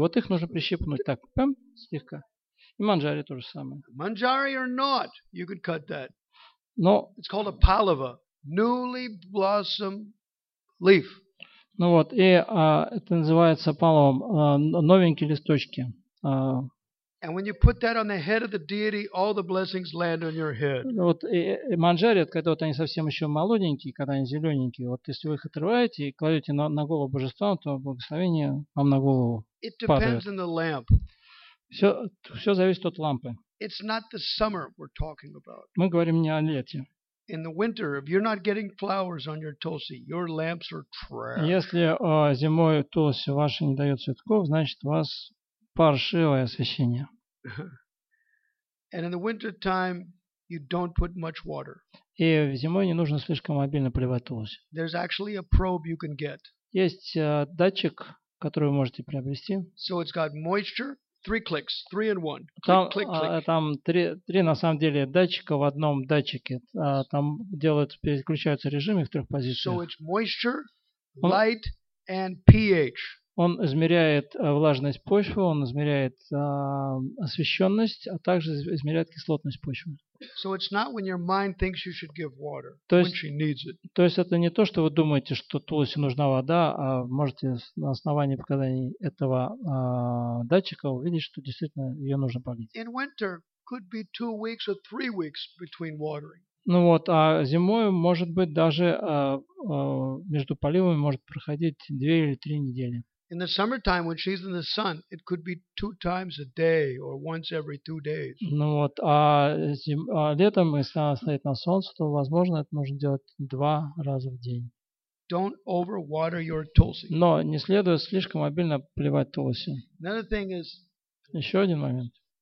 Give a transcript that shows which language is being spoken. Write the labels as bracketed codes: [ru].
[ru] Вот их нужно прищипнуть так, пэм, слегка. И манджари тоже самое. [en] Manjari or not, you could cut that. [ru] Но [en] it's called a palava, newly blossomed leaf. [ru] Ну вот, и это называется паловым, новенькие листочки. [en] And when you put that on the head of the deity, all the blessings land on your head. [ru] Вот, и манджари, когда вот они совсем еще молоденькие, когда они зелененькие, вот если вы их отрываете и кладете на голову божества, то благословение вам на голову [en] It [ru] падает. [en] Depends on the lamp. [ru] Все зависит от лампы. [en] It's not the summer we're talking about. [ru] Мы говорим не о лете. [en] In the winter, if you're not getting flowers on your tulsi, your lamps are trash. [ru] Если зимой тулси ваши не дают цветков, значит у вас паршивое освещение. [en] And in the winter time, you don't put much water. [ru] И зимой не нужно слишком обильно поливать тулси. [en] There's actually a probe you can get. [ru] Есть датчик, которую вы можете приобрести. [en] So it's got moisture, three clicks, three in one. [ru] Там три на самом деле датчика в одном датчике. Там переключаются режимы в трех позициях. [en] So it's moisture, light and pH. [ru] Он измеряет влажность почвы, он измеряет освещенность, а также измеряет кислотность почвы. [en] So it's not when your mind thinks you should give water when she needs it. [ru] То есть это не то, что вы думаете, что Тулосе нужна вода, а можете на основании показаний этого датчика увидеть, что действительно ее нужно полить. [en] In winter could be 2 weeks or 3 weeks between watering. [ru] Ну вот, а зимой, может быть, даже между поливами может проходить 2 или 3 недели. [en] In the summertime, when she's in the sun, it could be 2 times a day or once every 2 days. [ru] Ну вот, а летом, если она стоит на солнце, то, возможно, это нужно делать 2 раза в день. [en] Don't overwater your tulsi. [ru] Но не следует слишком обильно поливать тулоси. [en] Another thing is... [ru] Еще один момент.